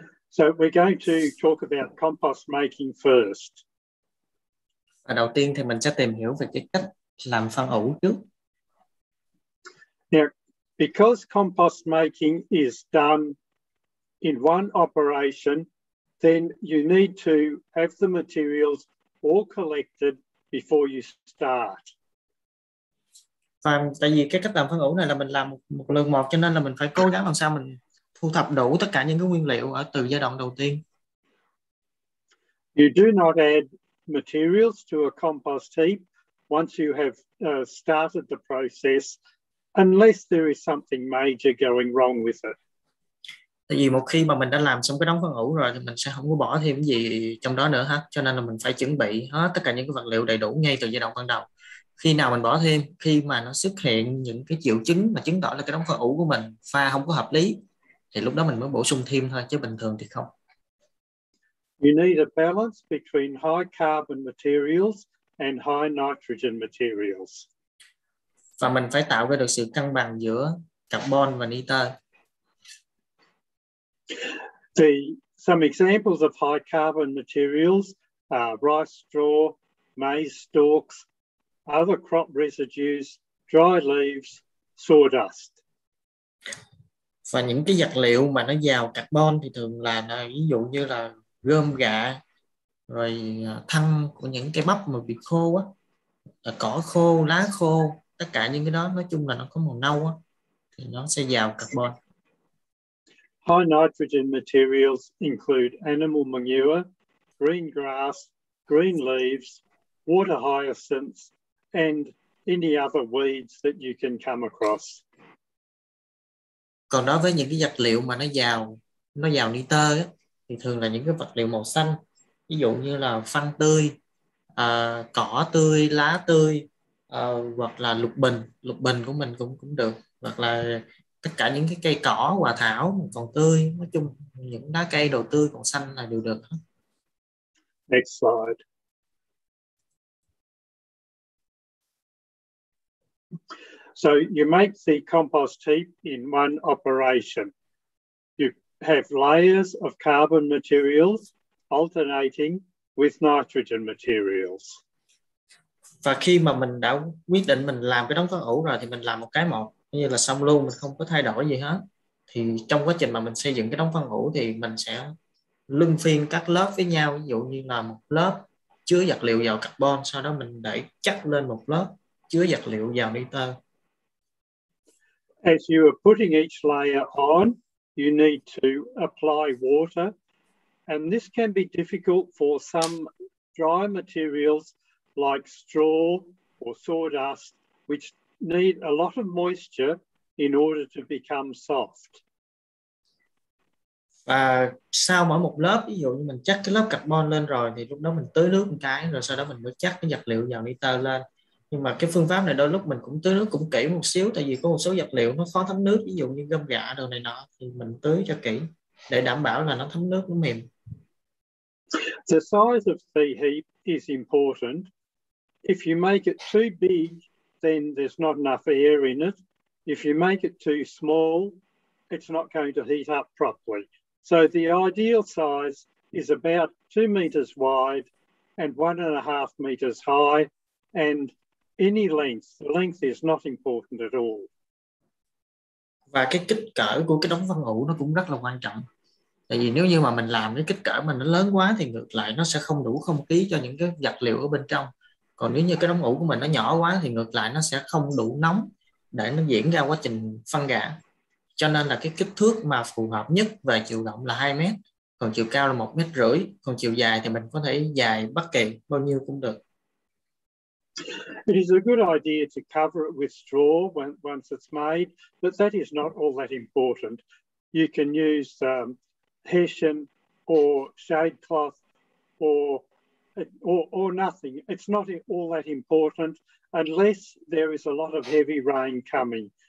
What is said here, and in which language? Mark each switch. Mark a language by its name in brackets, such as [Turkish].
[English] So we're going to talk about compost making first. [Vietnamese] Và đầu tiên thì mình sẽ tìm hiểu về cái cách làm phân ủ trước. [English] Now, because compost making is done in one operation, then you need to have the materials all collected before you start. [Vietnamese] Và tại vì cái cách làm phân ủ này là mình làm một lần một, cho nên là mình phải cố gắng làm sao mình thu thập đủ tất cả những cái nguyên liệu ở từ giai đoạn đầu tiên. [English] You do not add materials to a compost heap once you have started the process, unless there is something major going wrong with it. [Vietnamese] Tại vì một khi mà mình đã làm xong cái đống phân ủ rồi thì mình sẽ không có bỏ thêm gì trong đó nữa hết. Cho nên là mình phải chuẩn bị hết tất cả những cái vật liệu đầy đủ ngay từ giai đoạn ban đầu. Khi nào mình bỏ thêm, khi mà nó xuất hiện những cái triệu chứng mà chứng tỏ là cái đống phân ủ của mình pha không có hợp lý, thì lúc đó mình mới bổ sung thêm thôi, chứ bình thường thì không. [English] You need a balance between high carbon materials and high nitrogen materials. [Vietnamese] Và mình phải tạo ra được sự cân bằng giữa carbon và nitơ. [English] Some examples of high carbon materials are rice straw, maize stalks, other crop residues, dry leaves, sawdust. [Vietnamese] Và những cái vật liệu mà nó giàu carbon thì thường là ví dụ như là rơm rạ, rồi thân của những cái bắp mà bị khô á, cỏ khô, lá khô, tất cả những cái đó nói chung là nó có màu nâu á, thì nó sẽ giàu carbon. [English] High nitrogen materials include animal manure, green grass, green leaves, water hyacinths and any other weeds that you can come across. [Vietnamese] Còn đối với những cái vật liệu mà nó giàu nitơ á, thì thường là những cái vật liệu màu xanh, ví dụ như là phân tươi, cỏ tươi, lá tươi, hoặc là lục bình của mình cũng được, hoặc là tất cả những cái cây cỏ hòa thảo còn tươi, nói chung những lá cây đồ tươi còn xanh là đều được. [English] Next slide. So you make the compost heap in one operation. You have layers of carbon materials alternating with nitrogen materials. [Vietnamese] Và khi mà mình đã quyết định mình làm cái đống phân ủ rồi thì mình làm một cái một, như là xong luôn, mình không có thay đổi gì hết. Thì trong quá trình mà mình xây dựng cái đống phân ủ thì mình sẽ luân phiên các lớp với nhau, ví dụ như là một lớp chứa vật liệu giàu carbon, sau đó mình để chất lên một lớp chứa vật liệu giàu nitơ. [English] As you are putting each layer on, you need to apply water. And this can be difficult for some dry materials like straw or sawdust, which need a lot of moisture in order to become soft. [Vietnamese] Và sau mỗi một lớp, ví dụ như mình chắc cái lớp carbon lên rồi, thì lúc đó mình tưới nước một cái, rồi sau đó mình mới chắc cái vật liệu vào nitơ lên. Nhưng mà cái phương pháp này đôi lúc mình cũng tưới nước cũng kỹ một xíu, tại vì có một số vật liệu nó khó thấm nước, ví dụ như gâm gạ đồ này nọ, thì mình tưới cho kỹ để đảm bảo là nó thấm nước, nó mềm. [English] The size of the heap is important. If you make it too big, then there's not enough air in it. If you make it too small, it's not going to heat up properly. So the ideal size is about 2 meters wide and 1.5 meters high, and any length. The length is not important at all. [Vietnamese] Và cái kích cỡ của cái đống phân ủ nó cũng rất là quan trọng. Tại vì nếu như mà mình làm cái kích cỡ mà nó lớn quá thì ngược lại nó sẽ không đủ không khí cho những cái vật liệu ở bên trong. Còn nếu như cái đống ủ của mình nó nhỏ quá thì ngược lại nó sẽ không đủ nóng để nó diễn ra quá trình phân gã. Cho nên là cái kích thước mà phù hợp nhất về chiều rộng là 2 mét. còn chiều cao là 1,5 m, còn chiều dài thì mình có thể dài bất kỳ bao nhiêu cũng được. [English] It is a good idea to cover it with straw when, once it's made, but that is not all that important. You can use hessian or shade cloth or nothing. It's not all that important unless there is a lot of heavy rain coming.